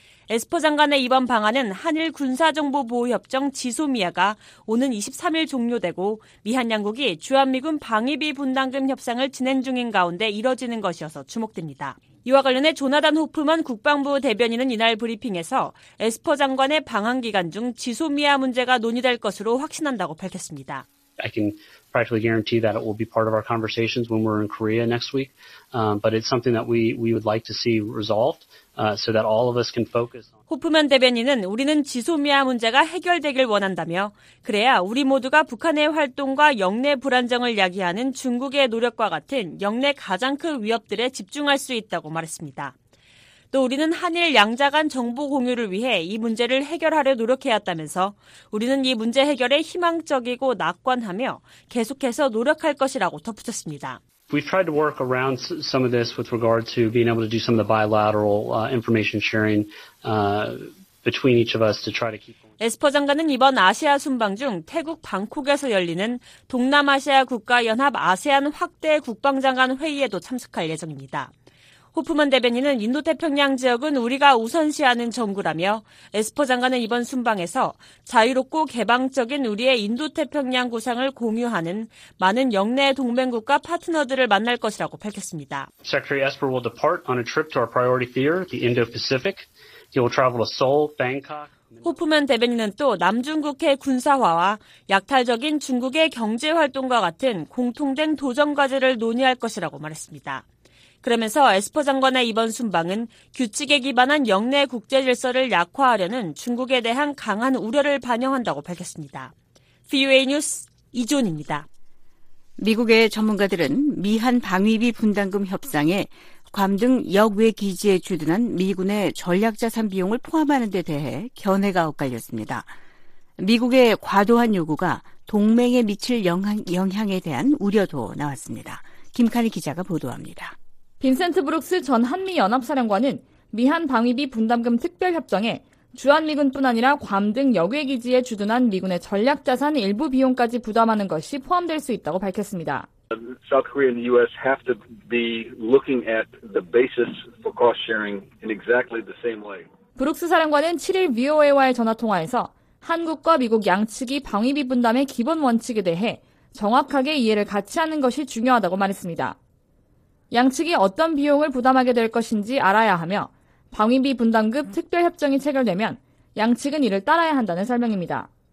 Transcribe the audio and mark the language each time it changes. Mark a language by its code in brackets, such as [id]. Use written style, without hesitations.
[ko] 에스퍼 장관의 이번 방한은 한일 군사정보보호협정 지소미아가 오는 23일 종료되고 미한 양국이 주한미군 방위비 분담금 협상을 진행 중인 가운데 이뤄지는 것이어서 주목됩니다. 이와 관련해 조나단 호프먼 국방부 대변인은 이날 브리핑에서 에스퍼 장관의 방한 기간 중 지소미아 문제가 논의될 것으로 확신한다고 밝혔습니다. [en] I can practically guarantee that it will be part of our conversations when we're in Korea next week. But it's something that we would like to see resolved. So that all of us can focus on. [ko] 호프먼 대변인은 우리는 지소미아 문제가 해결되길 원한다며 그래야 우리 모두가 북한의 활동과 영내 불안정을 야기하는 중국의 노력과 같은 영내 가장 큰 위협들에 집중할 수 있다고 말했습니다. 또 우리는 한일 양자 간 정보 공유를 위해 이 문제를 해결하려 노력해왔다면서 우리는 이 문제 해결에 희망적이고 낙관하며 계속해서 노력할 것이라고 덧붙였습니다. [en] We've tried to work around some of this with regard to being able to do some of the bilateral information sharing between each of us to try to keep. [ko] 에스퍼 장관은 이번 아시아 순방 중 태국 방콕에서 열리는 동남아시아 국가 연합 아세안 확대 국방장관 회의에도 참석할 예정입니다. 호프먼 대변인은 인도태평양 지역은 우리가 우선시하는 정구라며 에스퍼 장관은 이번 순방에서 자유롭고 개방적인 우리의 인도태평양 구상을 공유하는 많은 영내 동맹국과 파트너들을 만날 것이라고 밝혔습니다. [en] Secretary Esper will depart on a trip to our priority theater, the Indo-Pacific. He will travel to Seoul, Bangkok. [ko] 호프먼 대변인은 또 남중국해 군사화와 약탈적인 중국의 경제활동과 같은 공통된 도전과제를 논의할 것이라고 말했습니다. 그러면서 에스퍼 장관의 이번 순방은 규칙에 기반한 영내 국제 질서를 약화하려는 중국에 대한 강한 우려를 반영한다고 밝혔습니다. VOA 뉴스 이존입니다. 미국의 전문가들은 미한 방위비 분담금 협상에 괌 등 역외 기지에 주둔한 미군의 전략자산 비용을 포함하는 데 대해 견해가 엇갈렸습니다. 미국의 과도한 요구가 동맹에 미칠 영향에 대한 우려도 나왔습니다. 김카리 기자가 보도합니다. 빈센트 브룩스 전 한미연합사령관은 미한 방위비 분담금 특별협정에 주한미군뿐 아니라 괌 등 역외기지에 주둔한 미군의 전략자산 일부 비용까지 부담하는 것이 포함될 수 있다고 밝혔습니다. [en] South Korea and the U.S. have to be looking at the basis for cost sharing in exactly the same way. [ko] 브룩스 사령관은 7일 VOA와의 전화통화에서 한국과 미국 양측이 방위비 분담의 기본 원칙에 대해 정확하게 이해를 같이 하는 것이 중요하다고 말했습니다. 양측이 어떤 비용을 부담하게 될 것인지 알아야 하며 방위비 분담금 특별협정이 체결되면 양측은 이를 따라야 한다는 설명입니다.